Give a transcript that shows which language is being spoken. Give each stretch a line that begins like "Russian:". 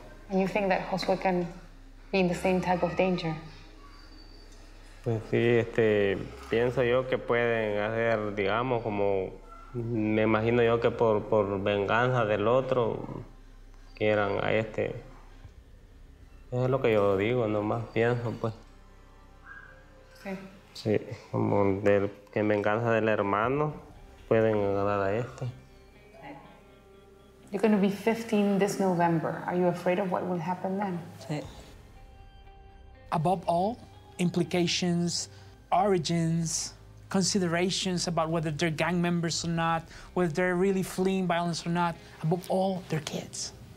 English: And you think that Josué can be in the same type of danger?
Spanish: Pues sí, pienso yo que pueden hacer, digamos, como me imagino yo que por venganza del otro quieran a este. Es lo que yo digo, nomás pienso, pues. Sí. Sí, como del que en venganza del hermano pueden agarrar a este.
English: You're going to be 15 this November. Are you afraid of what will happen then?
Spanish: Sí.
English: Above all, implications, origins, considerations about whether they're gang members or not, whether they're really fleeing violence or not, above all, they're kids.